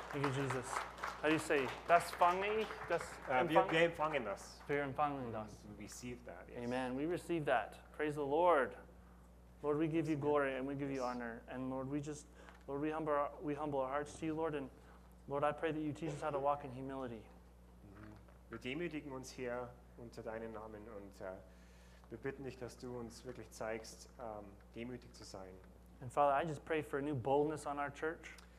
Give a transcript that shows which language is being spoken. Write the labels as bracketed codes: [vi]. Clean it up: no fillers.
[en] Thank you, Jesus. How do you say, [de] das fange ich, das empfange? Wir empfangen das. Wir empfangen das. [en] We receive that, yes. Amen. We receive that. Praise the Lord. Lord, we give you glory and we give you honor. And Lord, we humble our hearts to you, Lord. And Lord, I pray that you teach us how to walk in humility. [de] Wir demütigen uns hier unter deinen Namen und wir bitten dich, dass du uns wirklich zeigst, demütig zu sein. [en] And Father, I just pray for a new boldness on our church.